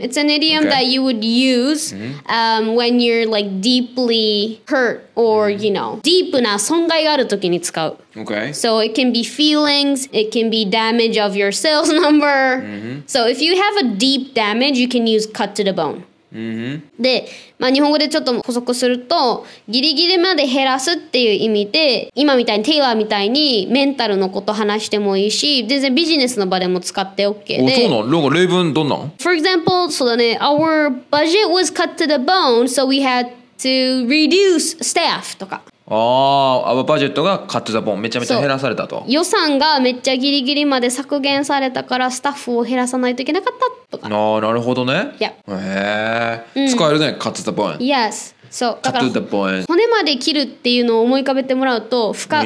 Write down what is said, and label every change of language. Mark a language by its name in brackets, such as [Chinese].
[English] It's an idiom、okay. that you would use、mm-hmm. When you're like deeply hurt or、mm-hmm. you know deep [Japanese] な損害がある時に使う。 [English] Okay. So it can be feelings, it can be damage of your sales number、 mm-hmm. So if you have a deep damage, you can use cut to the bone Mm-hmm. [Japanese] で、まあ、日本語でちょっと補足すると、ギリギリまで減らすっていう意味で、今みたいにテイラーみたいにメンタルのこと話してもいいし、全然ビジネスの場でも使って OK で。そうなん、なんか例文どんなん。 [English] For example, [Japanese] そうだね、 [English] Our budget was cut to the bone, so we had to reduce staff とか。 [Japanese] あ、バジェットがカットザボン、めちゃめちゃ減らされたと。予算がめっちゃギリギリまで削減されたから、スタッフを減らさないといけなかったとか。あ、なるほどね、 [English] yeah. [Japanese] へえ、うん、使えるね、カットザボン。 [English] Yes, so [Japanese] カットザボン、骨まで切るっていうのを思い浮かべてもらうと深く、